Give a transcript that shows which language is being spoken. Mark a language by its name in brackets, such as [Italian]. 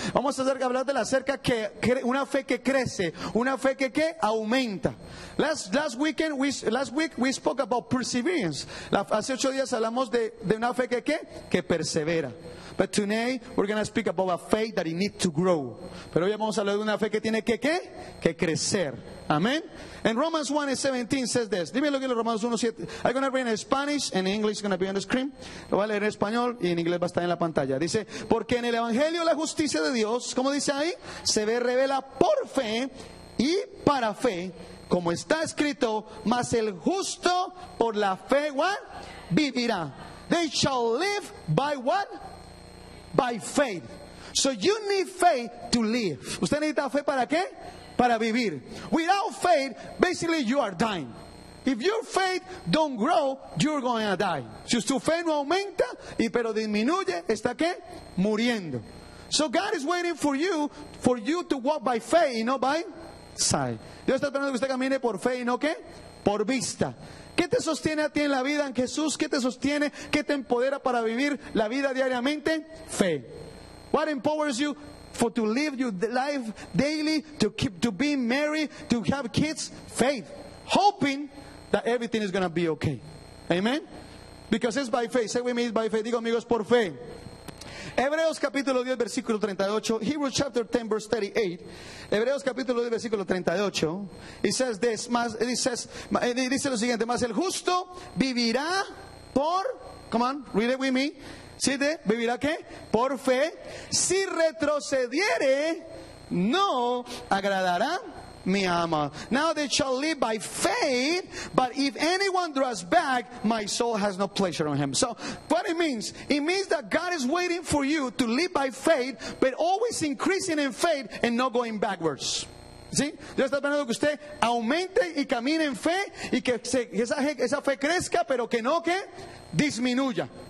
[Spanish] Vamos a hablar de la cerca que una fe que crece, una fe que ¿qué? Aumenta. [English] Last week we spoke about perseverance. [Spanish] Hace 8 días hablamos de una fe que ¿qué? Que persevera. [English] But today we're going to speak about a faith that it needs to grow. [Spanish] Pero hoy vamos a hablar de una fe que tiene que ¿qué? Que crecer. Amen. [English] And Romans 1:17 says this. [Spanish] Dime lo que es Romanos 1:7. [English] I'm going to read in Spanish and English is going to be on the screen. [Spanish] Lo voy a leer en español y en inglés va a estar en la pantalla. Dice, porque en el Evangelio la justicia de Dios, como dice ahí, se ve revela por fe y para fe, como está escrito, mas el justo por la fe, ¿what? Vivirá. [English] They shall live by what? By faith. So you need faith to live. [Spanish] ¿Usted necesita fe para qué? Para vivir. [English] Without faith, basically you are dying. If your faith don't grow, you're going to die. [Spanish] Si su fe no aumenta, y pero disminuye, ¿está qué? Muriendo. [English] So God is waiting for you to walk by faith and not by sight. [Spanish] Dios está esperando que usted camine por fe y no qué? Por vista. ¿Qué te sostiene a ti en la vida, en Jesús? ¿Qué te sostiene? ¿Qué te empodera para vivir la vida diariamente? Fe. [English] What empowers you for to live your life daily, to keep, to be married, to have kids? Faith. Hoping that everything is going to be okay. Amen? Because it's by faith. Say with me, it's by faith. [Spanish] Digo, amigos, por fe. Hebreos capítulo 10, versículo 38. [English] Hebrews chapter 10, verse 38. [Spanish] Hebreos capítulo 10, versículo 38. [English] It says this. [Spanish] Dice lo siguiente. Más el justo vivirá por... [English] Come on, read it with me. [Spanish] ¿Sí, de? ¿Vivirá qué? Por fe. Si retrocediere, no agradará mi alma. [English] Now they shall live by faith, but if anyone draws back, my soul has no pleasure on him. So what it means that God is waiting for you to live by faith, but always increasing in faith and not going backwards. [Spanish] ¿Sí? Dios está esperando que usted aumente y camine en fe, y que esa fe crezca, pero que no que disminuya.